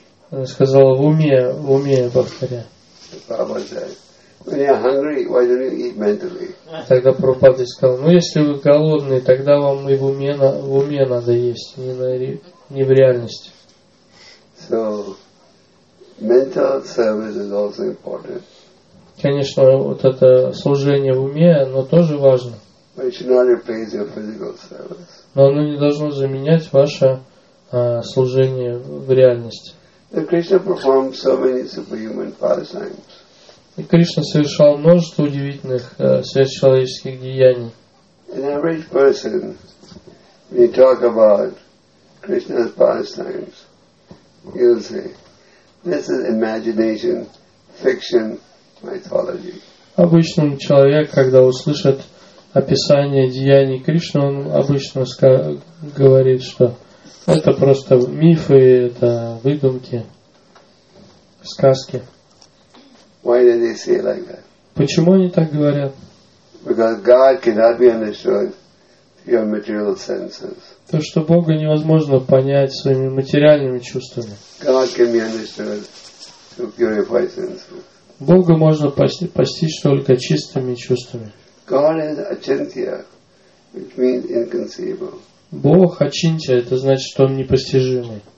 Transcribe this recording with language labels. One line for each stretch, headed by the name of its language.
Russian: Она сказала, в уме повторяю. Тогда Прабхупада сказал, ну если вы голодные, тогда вам и в уме надо есть, не в реальности.
English: So, mental service is also important.
Russian: Конечно, вот это служение в уме, оно тоже важно.
English: But it should not replace your physical service.
Russian: Но оно не должно заменять ваше служение в реальности. И Кришна совершал множество удивительных сверхчеловеческих деяний.
English: An average person, when you talk about Krishna's pastimes, you'll say, this is imagination, fiction, mythology.
Russian: Обычный человек, когда услышит описание деяний Кришны, он обычно говорит, что это просто мифы, это выдумки, сказки.
English: Why do they say like that?
Russian: Почему они так говорят?
English: Because God cannot be understood through your material senses.
Russian: То, что Бога невозможно понять своими материальными чувствами.
English: God can be understood through purified senses.
Russian: Бога можно постичь только чистыми чувствами.
English: God is achintya, which means inconceivable.
Russian: Бог Ачинтья, это значит, что он непостижимый.